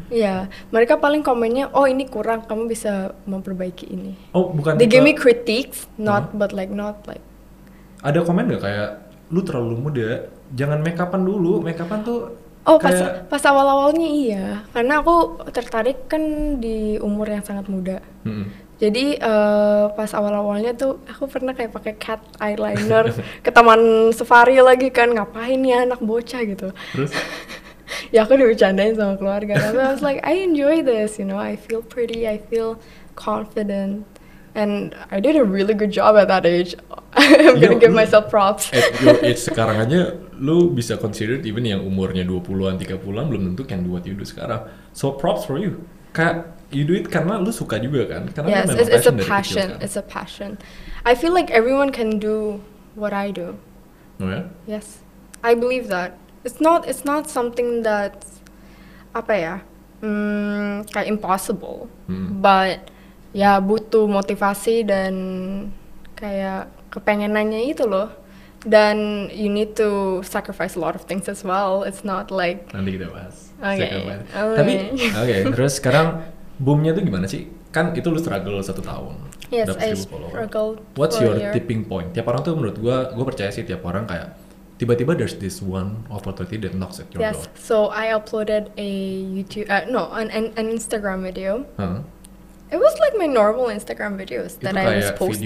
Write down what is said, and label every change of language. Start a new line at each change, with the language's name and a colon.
Indonesian: Iya, mereka paling komennya, oh ini kurang, kamu bisa memperbaiki ini. Oh bukan,
English: they give me critiques, not but like not like.
Indonesian: Ada komen gak kayak lu terlalu muda, jangan makeupan dulu, makeupan tuh. Oh kayak... pas awal-awalnya iya, karena aku tertarik kan di umur yang sangat muda. Jadi pas awal-awalnya tuh aku pernah kayak pakai cat eyeliner ke taman safari lagi kan, ngapain ya anak bocah gitu. Terus? Ya aku dibercandain sama keluarga, tapi
English: I was like I enjoy this, you know, I feel pretty, I feel confident, and I did a really good job at that age. I'm gonna give myself props. At your age
Indonesian: sekarang aja, lu bisa
English: consider even
Indonesian: yang umurnya 20-an, 30-an belum tentu
English: can do what you do sekarang. So props for you.
Indonesian: Kayak
English: you do it
Indonesian: karena lu suka juga kan? Karena
English: yes, memang it's passion, a passion
Indonesian: dari kecil, kan?
English: It's a passion. I feel like everyone can do what I do.
Indonesian: Oh ya?
English: Yes, I believe that. It's not something that
Indonesian: apa ya, kayak
English: impossible.
Indonesian: But ya butuh motivasi dan kayak kepengenannya itu loh.
English: Dan you need to sacrifice a lot of things as well. It's not like
Indonesian: nanti kita bahas.
English: Okay.
Indonesian: Tapi okay. Terus sekarang boomnya tuh gimana sih? Kan itu lu struggle 1 tahun.
English: Yes, I struggled. What's your tipping point?
Indonesian: Tiap orang tuh menurut gua percaya sih tiap orang kayak tiba-tiba
English: there's this one opportunity that knocks at your yes. door. Yes. So I uploaded a YouTube an Instagram video. It was like my normal Instagram videos that I was posting.